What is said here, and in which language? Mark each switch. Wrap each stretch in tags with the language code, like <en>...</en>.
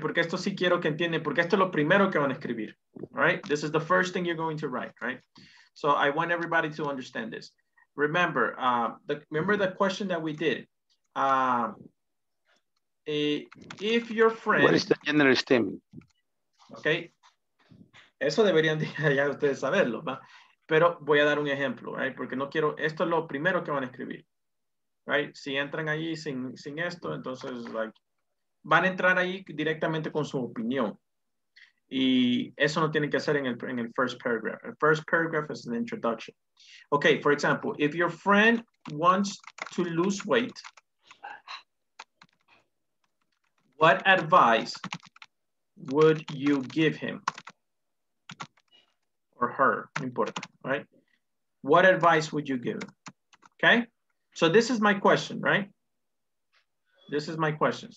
<es>Porque esto sí quiero que entiendan, porque esto es lo primero que van a escribir,</es> <en>right? This is the first thing you're going to write, right? So I want everybody to understand this. Remember, remember the question that we did. If your friend... What is the general statement? Okay.</en> <es>Eso deberían ya ustedes saberlo, ¿va? Pero voy a dar un ejemplo,</es> <en>right?</en> <es>Porque no quiero... Esto es lo primero que van a escribir,</es> <en>right?</en> <es>Si entran allí sin esto, entonces, like, van a entrar ahí directamente con su opinión. Y eso no tiene que ser en el</es> <en>first paragraph. The first paragraph is an introduction. Okay, for example, if your friend wants to lose weight, what advice would you give him or her? Important, right? What advice would you give him? Okay, so this is my question, right? This is my question.</en>